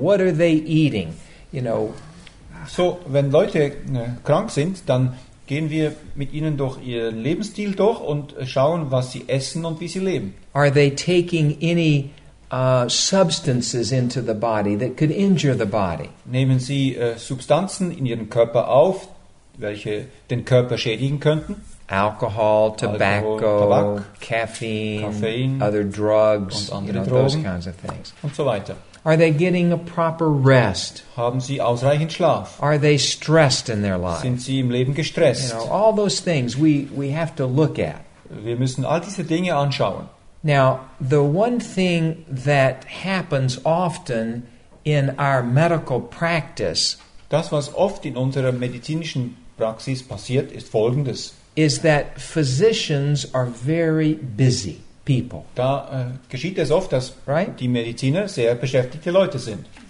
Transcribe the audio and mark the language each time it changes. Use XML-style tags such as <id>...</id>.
<en>What are they eating? You know.</en> <de>So, wenn Leute krank sind, dann gehen wir mit ihnen durch ihren Lebensstil durch und schauen, was sie essen und wie sie leben.</de> <en>Are they taking any substances into the body that could injure the body?</en> <de>Nehmen sie Substanzen in ihren Körper auf, welche den Körper schädigen könnten?</de> <en>Alcohol, tobacco,</en> <de>Tabak,</de> <en>caffeine, other drugs,</en> <de>und andere Drogen,</de> <en>those kinds of things.</en> <de>Und so weiter.</de> <en>Are they getting a proper rest?</en> <de>Haben sie ausreichend Schlaf?</de> <en>Are they stressed in their life?</en> <de>Sind sie im Leben gestresst?</de> <en>You know, all those things we have to look at.</en> <de>Wir müssen all diese Dinge anschauen.</de> <en>Now, the one thing that happens often in our medical practice,</en> <de>das was oft in unserer medizinischen Praxis passiert, ist Folgendes.</de> <en>Is that physicians are very busy people.</en> <de>Da geschieht es oft, dass right? die Mediziner sehr beschäftigte Leute sind.</de>